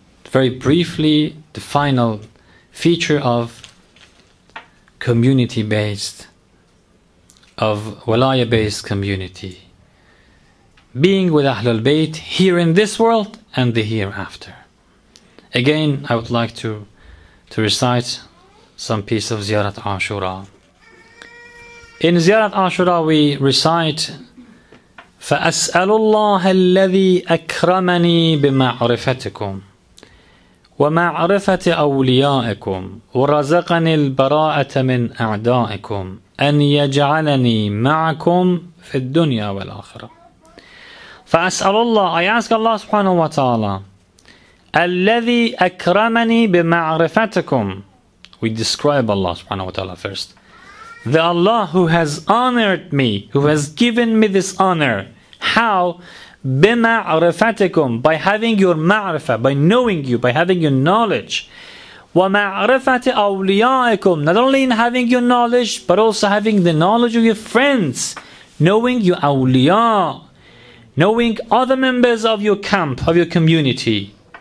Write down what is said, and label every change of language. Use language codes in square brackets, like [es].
[en] Very briefly, the final feature of community-based of walaya-based community, being with Ahlul Bayt here in this world and the hereafter. Again, I would like to recite some piece of Ziyarat Ashura. [ar] In Ziyarat Ashura, we recite, فَأَسْأَلُ اللَّهَ الَّذِي أَكْرَمَنِي بِمَعْرِفَتِكُمْ وَمَعْرِفَةِ أَوْلِيَائِكُمْ وَرَزَقَنِي الْبَرَاءَةَ مِنْ أَعْدَائِكُمْ أَنْ يَجْعَلَنِي مَعَكُمْ فِي الدُّنْيَا وَالْآخِرَةِ فَأَسْأَلُ اللَّهَ, [en] I ask Allah subhanahu wa ta'ala, [ar] الَّذِي أَكْرَمَنِي بِمَعْرِفَتِكُمْ. [en] We describe Allah subhanahu wa ta'ala first. The Allah who has honored me, who has given me this honor, how? بِمَعْرِفَتِكُمْ, by having your ma'rifah, by knowing you, by having your knowledge. [ar] وَمَعْرِفَةِ أَوْلِيَائِكُمْ, [en] not only in having your knowledge, but also having the knowledge of your friends, knowing your awliya, knowing other members of your camp, of your community.